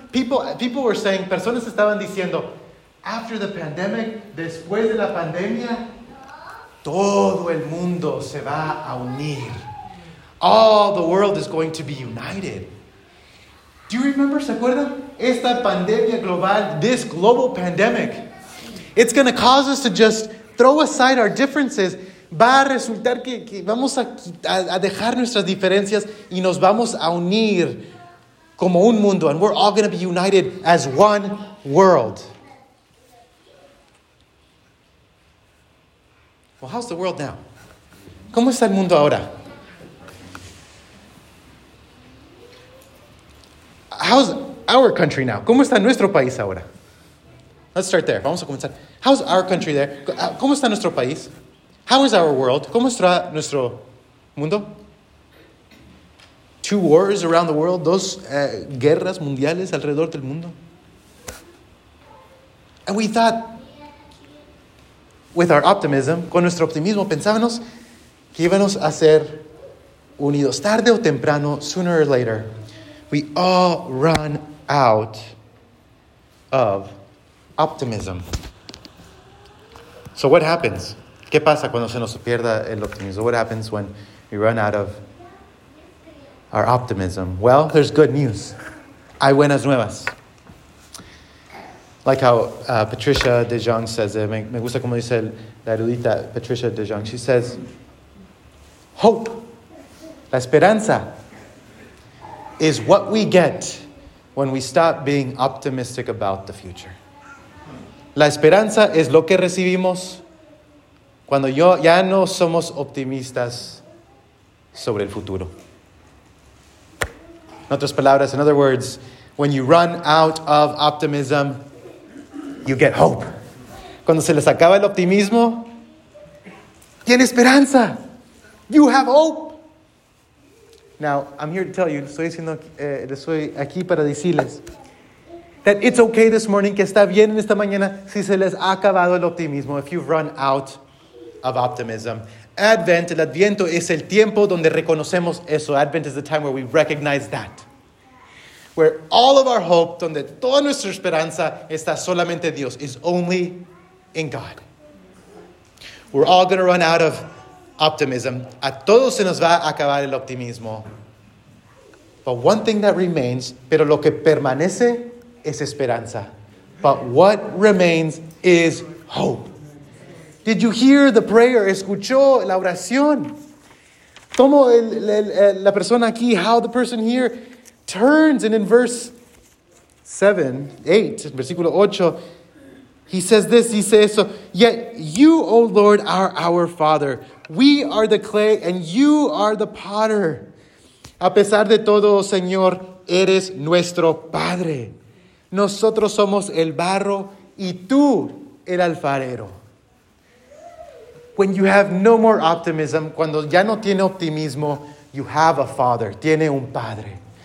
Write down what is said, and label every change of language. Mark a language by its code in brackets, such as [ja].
[en] People were saying, [es] personas estaban diciendo, [en] after the pandemic, [es] después de la pandemia, todo el mundo se va a unir. [en] All the world is going to be united. Do you remember? [es] ¿Se acuerdan? Esta pandemia global, [en] this global pandemic, it's going to cause us to just throw aside our differences. [es] Va a resultar que vamos a dejar nuestras diferencias y nos vamos a unir como un mundo. [en] And we're all going to be united as one world. Well, how's the world now? [es] ¿Cómo está el mundo ahora? [en] How's our country now? [es] ¿Cómo está nuestro país ahora? [en] Let's start there. [es] Vamos a comenzar. [en] How's our country there? [es] ¿Cómo está nuestro país? [en] How is our world? [es] ¿Cómo está nuestro mundo? [en] Two wars around the world. [es] Dos guerras mundiales alrededor del mundo. [en] And we thought, with our optimism, [es] con nuestro optimismo, pensábamos que íbamos a ser unidos. Tarde o temprano, [en] sooner or later, we all run out of optimism. So what happens? [es] ¿Qué pasa cuando se nos pierda el optimismo? [en] What happens when we run out of our optimism? Well, there's good news. [es] Hay buenas nuevas. [en] Like how Patricia de Jong says it. [es] Me gusta como dice la erudita Patricia de Jong. [en] She says, hope, [es] la esperanza, [en] is what we get when we stop being optimistic about the future. [es] La esperanza es lo que recibimos cuando ya no somos optimistas sobre el futuro. En otras palabras, [en] in other words, when you run out of optimism, you get hope. [es] Cuando se les acaba el optimismo, tiene esperanza. [en] You have hope. Now, I'm here to tell you, [es] estoy aquí para decirles [en] that it's okay this morning, [es] que está bien en esta mañana si se les ha acabado el optimismo, [en] if you've run out of optimism. [es] Advent, el Adviento, es el tiempo donde reconocemos eso. [en] Advent is the time where we recognize that. Where all of our hope, [es] donde toda nuestra esperanza está solamente Dios, [en] is only in God. We're all going to run out of optimism. [es] A todos se nos va a acabar el optimismo. [en] But one thing that remains, [es] pero lo que permanece es esperanza. [en] But what remains is hope. Did you hear the prayer? [es] ¿Escuchó la oración? Tomo la persona aquí, [en] how the person here turns, and in verse 7, 8, [es] versículo 8, [en] he says this, he says, so, yet you, O Lord, are our Father. We are the clay, and you are the potter. [es] A pesar de todo, Señor, eres nuestro Padre. Nosotros somos el barro, y tú el alfarero. [en] When you have no more optimism, [es] cuando ya no tiene optimismo, [en] you have a Father, [es] tiene un Padre.